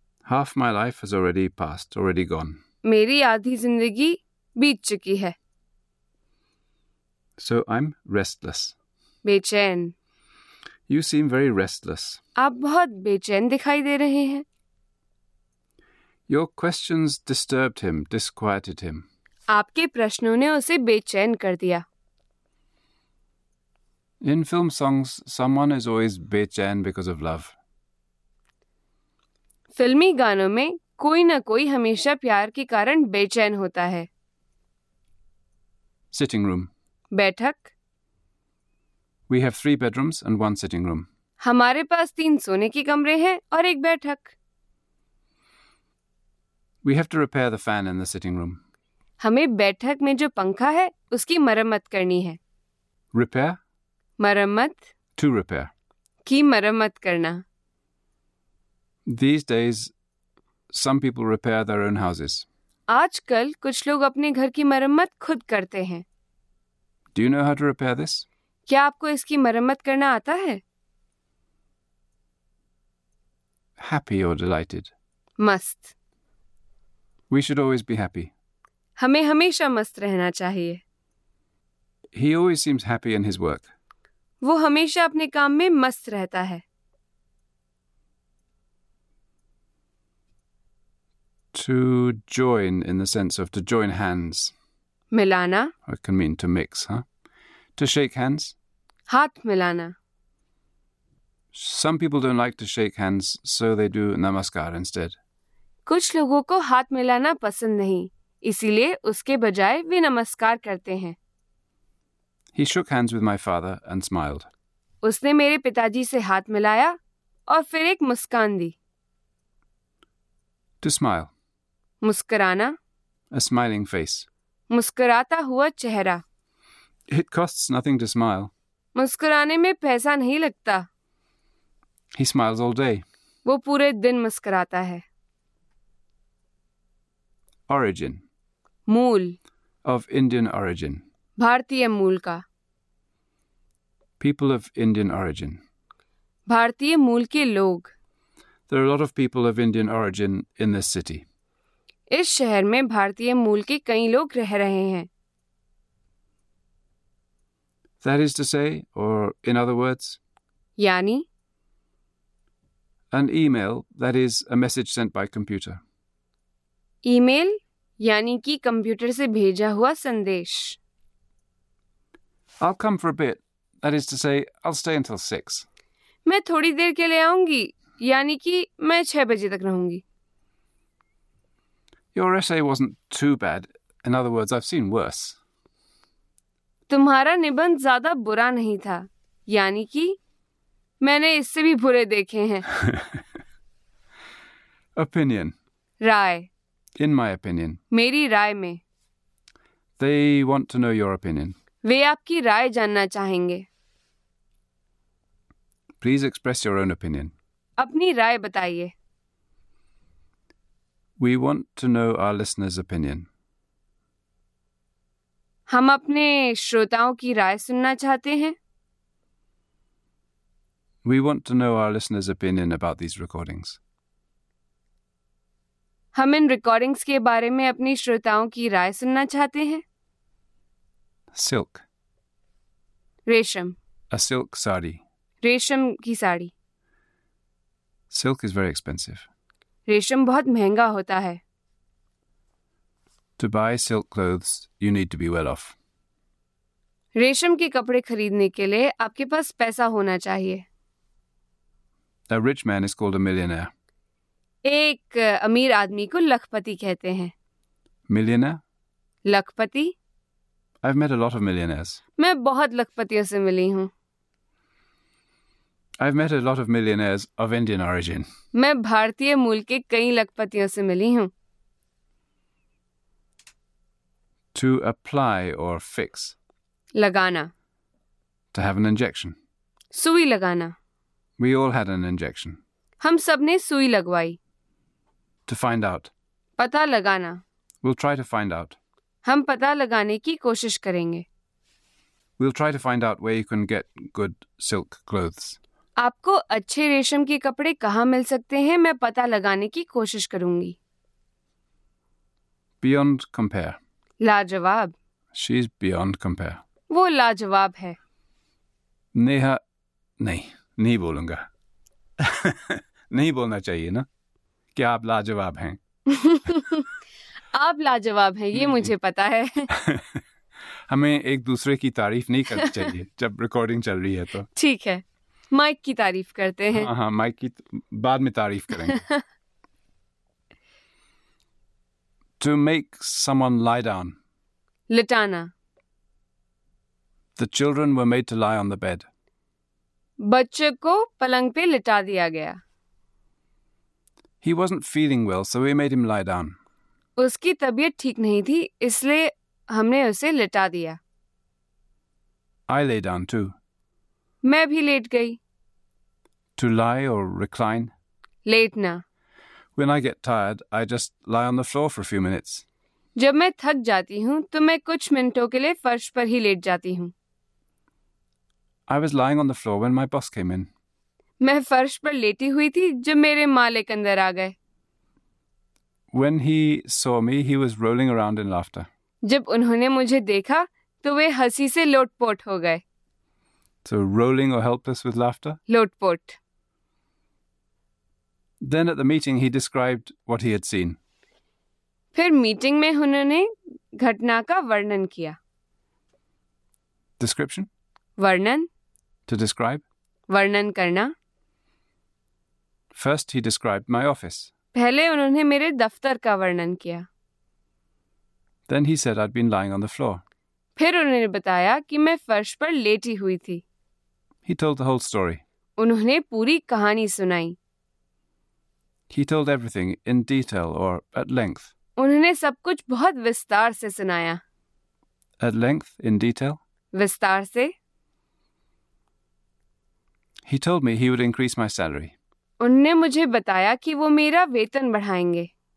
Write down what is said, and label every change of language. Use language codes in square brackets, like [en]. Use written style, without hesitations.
[en] Half my life has already passed, already gone. [hi] मेरी आधी जिंदगी बीत चुकी है. [en] So I'm restless. [hi] बेचैन. [en] You seem very restless. [hi] आप बहुत बेचैन दिखाई दे रहे हैं. [en] Your questions disturbed him, disquieted him. [hi] आपके प्रश्नों ने उसे बेचैन कर दिया. [en] In film songs, someone is always बेचैन because of love. [hi] फिल्मी गानों में कोई ना कोई हमेशा प्यार के कारण बेचैन होता है. [en] Sitting room. [hi] बैठक. [en] We have three bedrooms and one sitting room. [hi] हमारे पास तीन सोने के कमरे हैं और एक बैठक. [en] We have to repair the fan in the sitting room. [hi] हमें बैठक में जो पंखा है उसकी मरम्मत करनी है. [en] Repair? [hi] मरम्मत. [en] To repair. [hi] की मरम्मत करना. [en] These days, some people repair their own houses. [hi] आजकल कुछ लोग अपने घर की मरम्मत खुद करते हैं. [en] Do you know how to repair this? [hi] क्या आपको इसकी मरम्मत करना आता है? [en] Happy or delighted? [hi] मस्त. [en] We should always be happy. [hi] हमें हमेशा मस्त रहना चाहिए. [en] He always seems happy in his work. [hi] वो हमेशा अपने काम में मस्त रहता है. [en] To join in the sense of to join hands. [hi] मिलाना. [en] Or it can mean to mix, huh? To shake hands. [hi] हाथ मिलाना. [en] Some people don't like to shake hands, so they do namaskar instead. [hi] कुछ लोगों को हाथ मिलाना पसंद नहीं, इसीलिए उसके बजाय वे नमस्कार करते हैं. [en] He shook hands with my father and smiled. [hi] उसने मेरे पिताजी से हाथ मिलाया और फिर एक मुस्कान दी. [en] To smile. [hi] मुस्कराना. [en] A smiling face. [hi] मुस्कराता हुआ चेहरा. [en] It costs nothing to smile. [hi] मुस्कराने में पैसा नहीं लगता. [en] He smiles all day. [hi] वो पूरे दिन मुस्कराता है. [en] Origin. [hi] मूल. [en] Of Indian origin. [hi] भारतीय मूल का. [en] People of Indian origin. [hi] भारतीय मूल के लोग. [en] There are a lot of people of Indian origin in this city. [hi] इस शहर में भारतीय मूल के कई लोग रह रहे हैं. [en] That is to say, or in other words, [hi] yani, [en] an email, that is a message sent by computer. [hi] Email, yani ki computer se bheja hua sandesh. [en] I'll come for a bit, that is to say, I'll stay until 6. [hi] Main thodi der ke liye aaungi, yani ki main 6 baje tak rahungi. [en] Your essay wasn't too bad, in other words, I've seen worse. [hi] तुम्हारा निबंध ज्यादा बुरा नहीं था, यानी कि मैंने इससे भी बुरे देखे हैं. [en] Opinion. [hi] Rai. [en] In my opinion. [hi] मेरी राय में. [en] They want to know your opinion. [hi] वे आपकी राय जानना चाहेंगे. [en] Please express your own opinion. [hi] अपनी राय बताइए. [en] We want to know our listeners' opinion. [hi] हम अपने श्रोताओं की राय सुनना चाहते हैं. [en] We want to know our listeners' opinion about these recordings. [hi] हम इन रिकॉर्डिंग्स के बारे में अपनी श्रोताओं की राय सुनना चाहते हैं. [en] Silk. [hi] रेशम. [en] A silk saree. [hi] रेशम की sari. [en] Silk is very expensive. [hi] रेशम बहुत महंगा होता है. [en] To buy silk clothes, you need to be well off. [hi] रेशम के कपड़े खरीदने के लिए आपके पास पैसा होना चाहिए. [en] A rich man is called a millionaire. [hi] एक अमीर आदमी को लखपति कहते हैं. [en] Millionaire? [hi] Lakhpati. [en] I've met a lot of millionaires. [hi] मैं बहुत लखपतियों से मिली हूँ. [en] I've met a lot of millionaires of Indian origin. [hi] मैं भारतीय मूल के कई लखपतियों से मिली हूँ. [en] To apply or fix. [hi] लगाना. [en] To have an injection. [hi] सुई लगाना. [en] We all had an injection. [hi] हम सब ने सुई लगवाई. [en] To find out. [hi] पता लगाना. [en] We'll try to find out. [hi] हम पता लगाने की कोशिश करेंगे. [en] We'll try to find out where you can get good silk clothes. [hi] आपको अच्छे रेशम के कपड़े कहाँ मिल सकते हैं, मैं पता लगाने की कोशिश करूंगी. [en] Beyond compare. [hi] लाजवाब. [en] She's beyond compare. [hi] वो लाजवाब है. नेहा. नहीं बोलूंगा. नहीं बोलना चाहिए ना कि आप लाजवाब हैं. आप लाजवाब हैं, ये मुझे पता है. हमें एक दूसरे की तारीफ नहीं करनी चाहिए जब रिकॉर्डिंग चल रही है तो. ठीक है, माइक की तारीफ करते हैं. हाँ हाँ, माइक की बाद में तारीफ करेंगे. [en] To make someone lie down. [hi] लिटाना. [en] The children were made to lie on the bed. [hi] बच्चे को पलंग पे लिटा दिया गया. [en] He wasn't feeling well, so we made him lie down. [hi] उसकी तबीयत ठीक नहीं थी, इसलिए हमने उसे लिटा दिया. [en] I lay down too. [hi] मैं भी लेट गई. [en] To lie or recline. [hi] लेटना. [en] When I get tired, I just lie on the floor for a few minutes. [hi] जब मैं थक जाती हूँ, तो मैं कुछ मिनटों के लिए फर्श पर ही लेट जाती हूँ. [en] I was lying on the floor when my boss came in. [hi] मैं फर्श पर लेटी हुई थी जब मेरे मालिक अंदर आ गए. [en] When he saw me, he was rolling around in laughter. [hi] जब उन्होंने मुझे देखा, तो वे हंसी से लोटपोट हो गए. [en] So rolling or helpless with laughter? [hi] Lotpot. [en] Then at the meeting, he described what he had seen. [hi] फिर मीटिंग में उन्होंने घटना का वर्णन किया. [en] Description? [hi] वर्णन. [en] To describe? [hi] वर्णन करना. [en] First, he described my office. [hi] पहले उन्होंने मेरे दफ्तर का वर्णन किया. [en] Then he said I'd been lying on the floor. [hi] फिर उन्होंने बताया कि मैं फर्श पर लेटी हुई थी. [en] He told the whole story. [hi] उन्होंने पूरी कहानी सुनाई. [en] He told everything in detail or at length. [hi] उन्होंने सब कुछ बहुत विस्तार से सुनाया. [en] At length, in detail. [hi] विस्तार से. [en] He told me he would increase my salary. [hi] उन्होंने मुझे बताया कि वो मेरा वेतन बढ़ाएंगे.